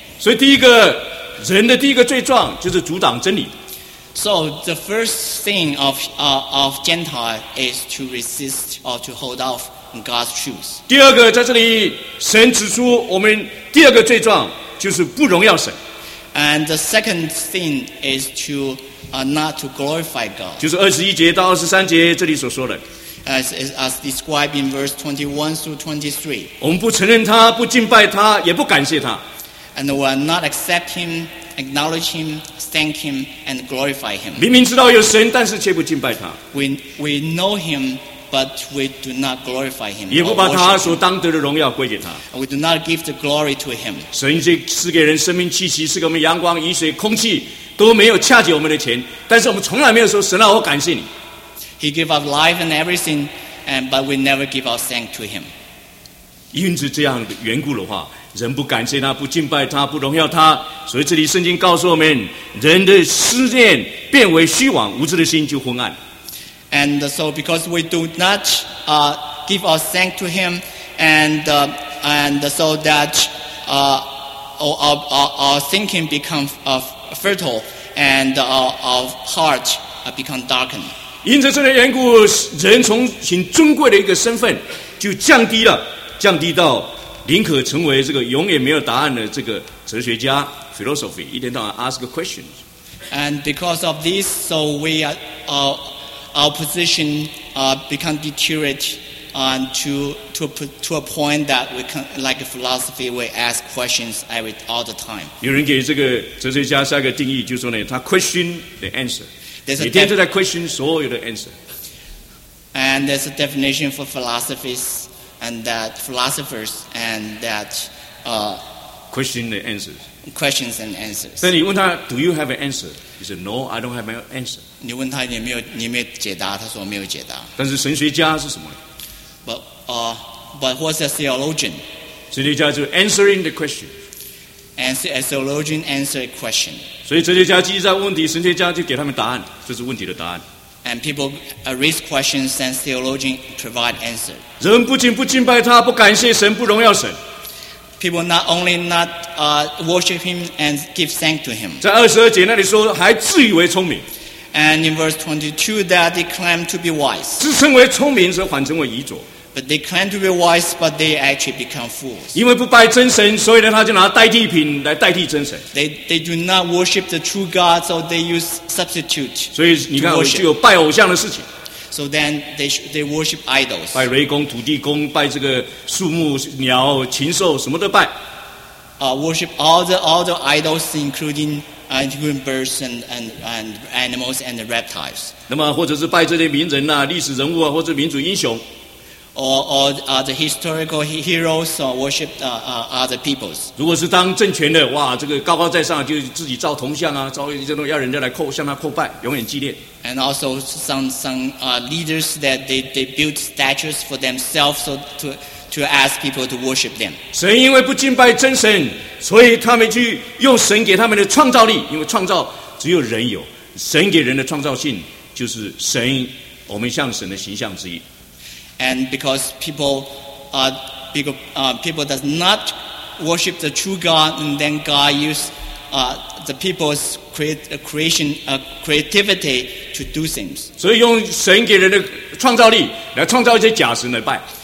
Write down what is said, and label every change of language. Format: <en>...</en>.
<zh>所以第一个人的第一个罪状就是阻挡真理。</zh> <en>So the first thing of Gentile is to resist or to hold off God's truth.</en> <zh>第二个在这里，神指出我们第二个罪状就是不荣耀神。</zh> <en>And the second thing is to not to glorify God.</en> <zh>就是二十一节到二十三节这里所说的。</zh> <en>As described in verse 21 through 23.</en> <zh>我们不承认他，不敬拜他，也不感谢他。</zh> <en>And we are not accept him. Acknowledge him, thank him, and glorify him.</en> <zh>明明知道有神，但是却不敬拜他。</zh> <en>We know him, but we do not glorify him.</en> <zh>也不把他所当得的荣耀归给他。</zh> <en>We do not give the glory to him.</en> <zh>神已经赐给人生命气息，赐给我们阳光、雨水、空气，都没有恰及我们的钱。但是我们从来没有说神啊，我感谢你。</zh> <en>He gave us life and everything, but we never give our thanks to him.</en> <zh>因此这样的缘故的话。人不感谢他，不敬拜他，不荣耀他，所以这里圣经告诉我们，人的思念变为虚妄，无知的心就昏暗。</zh> <en>And so because we do not give our thanks to him, and so that our thinking become fertile, and our heart become darkened.</en> <zh>因着这个缘故，人从很尊贵的一个身份就降低了，降低到。宁可成为这个永远没有答案的这个哲学家 philosophy， 一天到晚</zh> <en>ask questions。 And because of this, so we are our position become deteriorated on to a point that we can like a philosophy we ask questions every all the time。</en> <zh>有人给这个哲学家下一个定义，就是、说呢，他</zh> <en>question the answer，</en> <zh>每天都在 question 所有的 answer。</zh> <en>And there's a definition for philosophies. And that philosophers and that question the answers. Questions and answers.</en> <zh>但你问他</zh> <en>，Do you have an answer? He said, No, I don't have an answer.</en> <zh>你问他你没有解答，他说没有解答。但是神学家是什么</zh> <en>？But what's a theologian?</en> <zh>哲学家就</zh> <en>answering the question. Answer a theologian answer a question.</en> <zh>所以哲学家继续在问题，神学家就给他们答案，这是问题的答案。</zh> <en>And people raise questions, and theologians provide answers.</en> <zh>人不仅不敬拜他，不感谢神，不荣耀神。</zh> <en>People not only not worship him and give thanks to him.</en> <zh>在二十二节那里说，还自以为聪明。</zh> <en>And in verse 22, that they claim to be wise.</en> <zh>自称为聪明，则反成为愚拙。</zh> <en>But they claim to be wise, but they actually become fools.</en> <zh>因为不拜真神，所以呢，他就拿代替品来代替真神。</zh> <en>They do not worship the true God, so they use substitute.</en> <zh>所以你看，就有拜偶像的事情。</zh> <en>So then they worship idols.</en> <zh>拜雷公、土地公，拜这个树木、鸟、禽兽，什么都拜。</zh> <en>Worship all the idols, including birds and animals and reptiles.</en> <zh>那么或者是拜这些名人啊、历史人物啊，或者民族英雄。</zh> <en>Or the historical heroes or worship other peoples.</en> <zh>如果是当政权的，哇，这个高高在上，就自己造铜像啊，造一些东西，要人家来叩向他叩拜，永远纪念。</zh> <en>And also some leaders that they build statues for themselves so to ask people to worship them.</en> <zh>神因为不敬拜真神，所以他们去用神给他们的创造力，因为创造只有人有，神给人的创造性就是神，我们像神的形象之一。</zh> <en>And because people does not worship the true God, and then God use the people's creativity to do things.</en> <zh>所以用神给人的创造力来创造一些假神来拜。</zh>